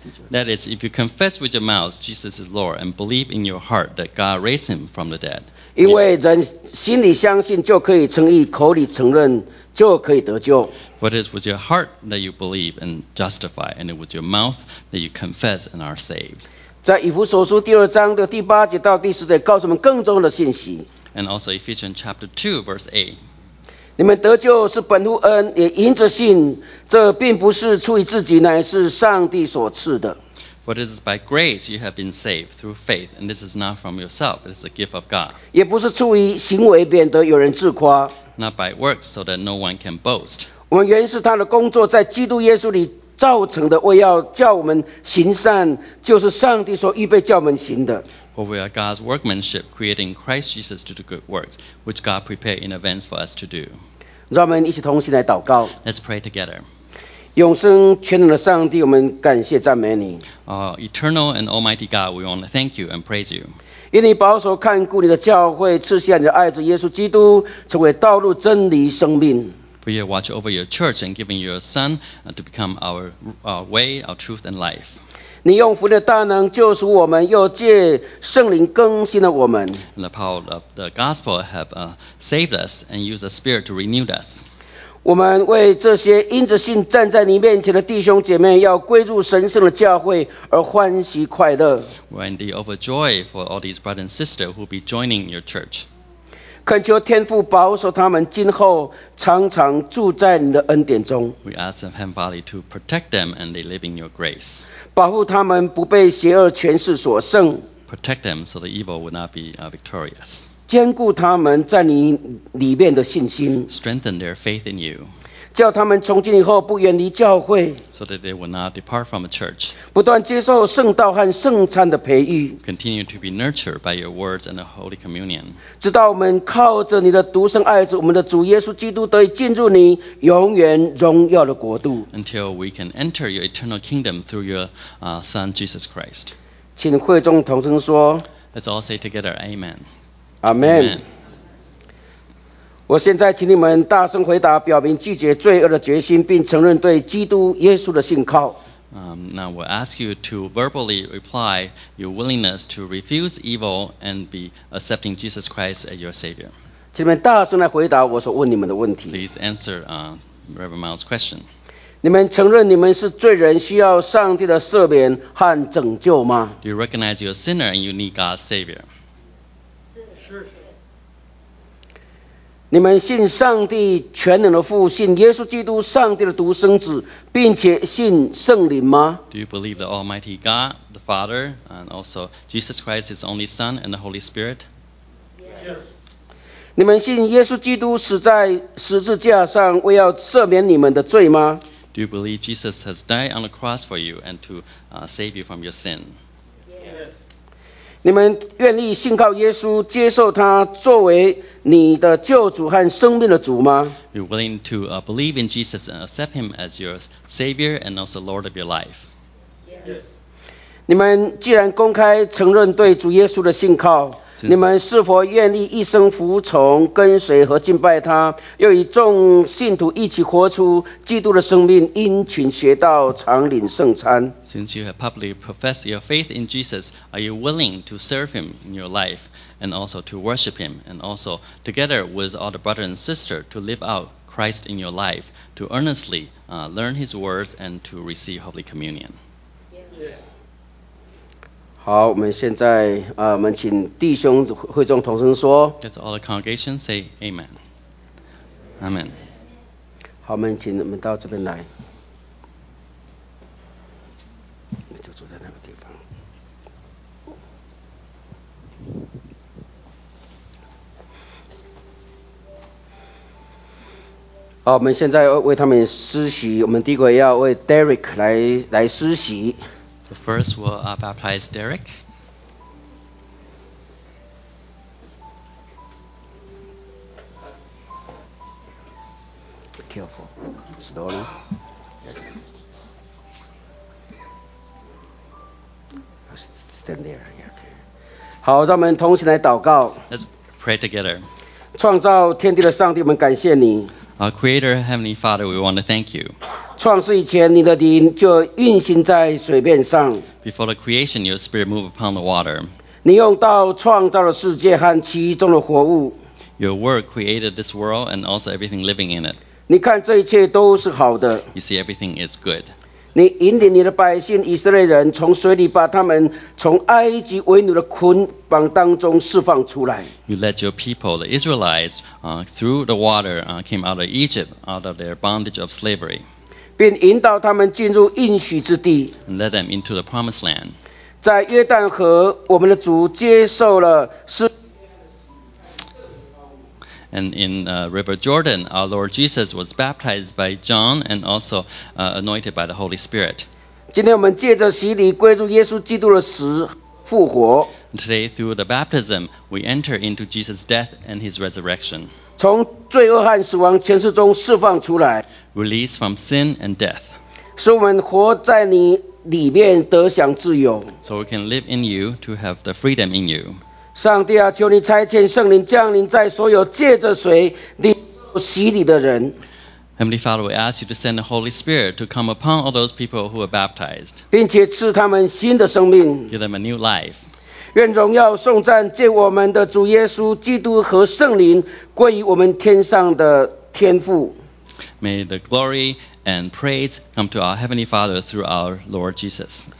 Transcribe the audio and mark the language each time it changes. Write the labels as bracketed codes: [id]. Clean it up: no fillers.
[en] That is, if you confess with your mouth Jesus is Lord and believe in your heart that God raised him from the dead. [zh] 因为人心里相信就可以称义，口里承认就可以得救。 [en] What is with your heart that you believe and justify, and with your mouth that you confess and are saved. [zh] 在以弗所书第二章的第八节到第十节告诉我们更重要的信息。 [en] And also Ephesians chapter 2, verse 8. [zh] 你们得救是本乎恩，也因着信。这并不是出于自己，乃是上帝所赐的。 [en] But it is by grace you have been saved through faith, and this is not from yourself; it is a gift of God. [zh] 也不是出于行为，免得有人自夸。 [en] Not by works, so that no one can boast. [zh] 我们原是他的工作，在基督耶稣里造成的，为要叫我们行善，就是上帝所预备叫我们行的。 [en] For we are God's workmanship, creating Christ Jesus to do good works, which God prepared in advance for us to do. [zh] 让我们一起同心来祷告。 [en] Let's pray together. [zh] 永生全能的上帝，我们感谢赞美你。 [en] Eternal and Almighty God, we want to thank you and praise you. [zh] 因你保守看顾你的教会，赐下你的爱子耶稣基督，成为道路、真理、生命。 [en] For you watch over your church and giving your Son to become our way, our truth and life. [zh] 你用福音的大能救赎我们，又借圣灵更新了我们。 [en] The power of the gospel have saved us and used the Spirit to renew us. [zh] 我们为这些因着信站在你面前的弟兄姐妹，要归入神圣的教会而欢喜快乐。 [en] We're indeed overjoyed for all these brothers and sisters who will be joining your church. [zh] 恳求天父保守他们，今后常常住在你的恩典中。 [en] We ask of Heavenly Father to protect them and they live in your grace. [zh] 保护他们不被邪恶权势所胜。 [en] Protect them so the evil will not be victorious. [zh] 坚固他们在你里面的信心。 [en] Strengthen their faith in you. [zh] 叫他们从今以后不远离教会。 [en] So that they will not depart from a church. [zh] 不断接受圣道和圣餐的培育。 [en] Continue to be nurtured by your words and the holy communion. [zh] 直到我们靠着你的独生爱子，我们的主耶稣基督，得以进入你永远荣耀的国度。 [en] Until we can enter your eternal kingdom through your Son Jesus Christ. [zh] 请会众同声说。 [en] Let's all say together, Amen. Amen. Amen. [zh] 我现在请你们大声回答，表明拒绝罪恶的决心，并承认对基督耶稣的信靠。 [en] Now we'll ask you to verbally reply your willingness to refuse evil and be accepting Jesus Christ as your Savior. [zh] 请你们大声来回答我所问你们的问题。 [en] Please answer Reverend Miles' question. [zh] 你们承认你们是罪人，需要上帝的赦免和拯救吗？ [en] Do you recognize you're a sinner and you need God's Savior? [zh] 你们信上帝全能的父，信耶稣基督上帝的独生子，并且信圣灵吗？ [en] Do you believe the Almighty God, the Father, and also Jesus Christ, His only Son, and the Holy Spirit? Yes. [zh] 你们信耶稣基督死在十字架上，为要赦免你们的罪吗？ [en] Do you believe Jesus has died on the cross for you and to save you from your sin? Yes. [zh] 你们愿意信靠耶稣，接受他作为你的救主和生命的主吗？ [en] You're willing to believe in Jesus and accept him as your Savior and also Lord of your life. Yes. [zh] 你们既然公开承认对主耶稣的信靠，你们是否愿意一生服从跟随和敬拜他，又与众信徒一起活出基督的生命，殷勤学道，常领圣餐。 [en] Since you have publicly professed your faith in Jesus, are you willing to serve him in your life and also to worship him and also together with all the brothers and sisters to live out Christ in your life, to earnestly learn his words and to receive Holy Communion? Yes. [zh] 好，我们现在我们请弟兄会众同声说。 [en] Let all the congregation say Amen. Amen. [zh] 好，我们请你们到这边来。就坐在那个地方。好，我们现在为他们施洗。我们第一个要为 Derek 来施洗。 [en] The first will baptize Derek. Be careful. Slowly. Stand there. Okay. [zh] 好，让我们同时来祷告。 [en] Let's pray together. [zh] 创造天地的上帝，我们感谢你。 [en] Our Creator, Heavenly Father, we want to thank you. [zh] 创世以前，你的灵就运行在水面上。 [en] Before the creation, your spirit moved upon the water. [zh] 你用道创造了世界和其中的活物。 [en] Your word created this world and also everything living in it. [zh] 你看这一切都是好的。 [en] You see everything is good. [zh] 你引领你的百姓以色列人从水里把他们从埃及为奴的捆绑当中释放出来。 [en] You let your people, the Israelites, through the water, came out of Egypt, out of their bondage of slavery. [zh] 并引导他们进入应许之地。 [en] And led them into the promised land. [zh] 在约旦河，我们的主接受了是。 [en] And in River Jordan, our Lord Jesus was baptized by John and also anointed by the Holy Spirit. [zh] 今天我们借着洗礼归入耶稣基督的死复活。 [en] Today, through the baptism, we enter into Jesus' death and his resurrection. [zh] 从罪恶和死亡权势中释放出来。 [en] Release from sin and death. [zh] 使我们活在你里面得享自由。 [en] So we can live in you to have the freedom in you. [zh] 上帝啊，求你差遣圣灵降临在所有借着水领受洗礼的人。 [en] Heavenly Father, we ask you to send the Holy Spirit to come upon all those people who are baptized. [zh] 并且赐他们新的生命。 [en] Give them a new life. [zh] 愿荣耀颂赞借我们的主耶稣基督和圣灵归于我们天上的天父。 [en] May the glory and praise come to our Heavenly Father through our Lord Jesus.